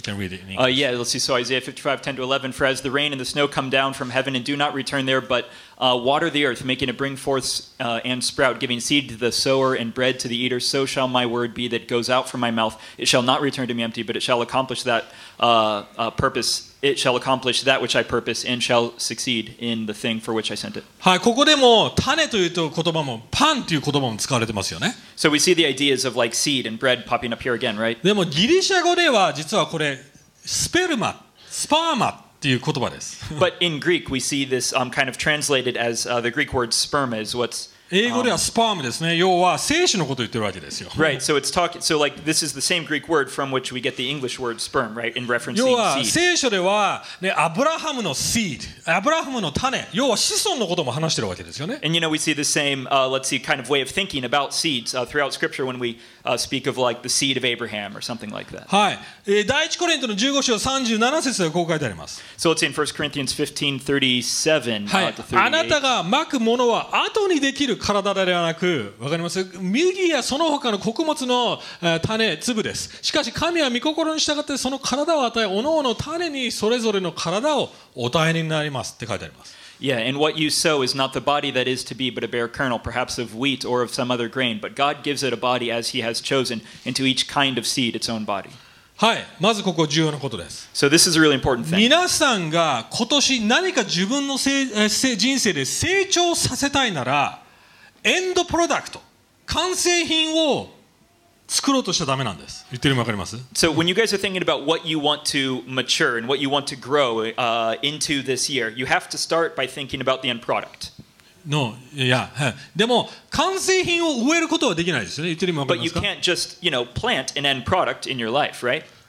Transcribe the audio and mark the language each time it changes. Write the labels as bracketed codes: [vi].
[en] You can read it in English. Yeah, let's see. So Isaiah 55:10-11. For as the rain and the snow come down from heaven and do not return there, but water the earth, making it bring forth and sprout, giving seed to the sower and bread to the eater, so shall my word be that goes out from my mouth. It shall not return to me empty, but it shall accomplish that purpose. It shall accomplish that which I purpose and shall succeed in the thing for which I sent it. [ja] はい、ここでも種という言葉もパンという言葉も使われてますよね。 [en] So we see the ideas of like seed and bread popping up here again, right? [ja] でもギリシャ語では実はこれスペルマ、スパーマっていう言葉です。 [en] But in Greek we see this kind of translated as the Greek word sperma is what's [ja] 英語ではスパームですね。要は精子のことを言ってるわけですよ。 [en] Right, so it's talking. So like this is the same Greek word from which we get the English word sperm, right? In reference to seed. [ja] 要は聖書ではね、アブラハムの seed、アブラハムの種、要は子孫のことも話してるわけですよね。 [en] And you know we see the same, let's see, kind of way of thinking about seeds throughout Scripture when we speak of like the seed of Abraham or something like that. [ja] はい。第一コリントの15章37節でこう書いてあります。 [en] So let's see in 1 Corinthians 15:37 to 38. [ja] あなたがまくものは後にできる。体ではなく、わかります? 麦やその他の穀物の種、粒です。しかし神は御心に従ってその体を与え、おのおの種にそれぞれの体をお与えになりますって書いてあります。 [en] Yeah, and what you sow is not the body that is to be, but a bare kernel, perhaps of wheat or of some other grain. But God gives it a body as he has chosen, and to each kind of seed its own body. [ja] はい、まずここ重要なことです。 [en] So this is a really important thing. [ja] 皆さんが今年何か自分の人生で成長させたいなら、エンドプロダクト、完成品を作ろうとしちゃダメなんです。言ってるの分かります? [en] So when you guys are thinking about what you want to mature and what you want to grow into this year, you have to start by thinking about the end product. No, yeah. [ja] でも完成品を植えることはできないですよね。言ってるの分かりますか? [en] But you can't just, you know, plant an end product in your life, right?